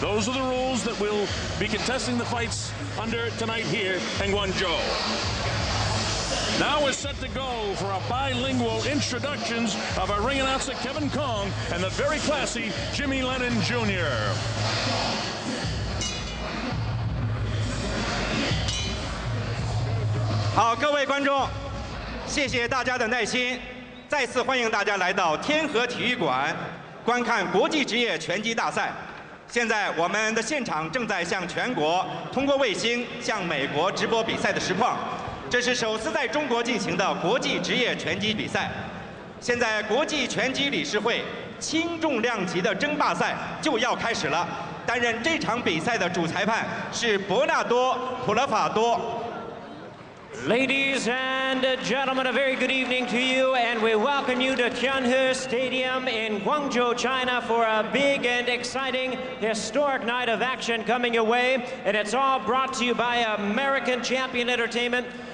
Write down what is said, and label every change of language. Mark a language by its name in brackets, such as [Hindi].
[English] Those are the rules that we'll be contesting the fights under tonight here in Guangzhou. Now we're set to go for our bilingual introductions of our ring announcer, Kevin Kong, and the very classy Jimmy Lennon Jr. Good, [Chinese] 谢谢大家的耐心，再次欢迎大家来到天河体育馆观看国际职业拳击大赛。现在我们的现场正在向全国通过卫星向美国直播比赛的实况。这是首次在中国进行的国际职业拳击比赛。现在国际拳击理事会轻重量级的争霸赛就要开始了。担任这场比赛的主裁判是博纳多·普勒法多。 [English] Ladies and gentlemen, a very good evening to you, and we welcome you to Tianhe Stadium in Guangzhou, China, for a big and exciting historic night of action coming your way, and it's all brought to you by American Champion Entertainment,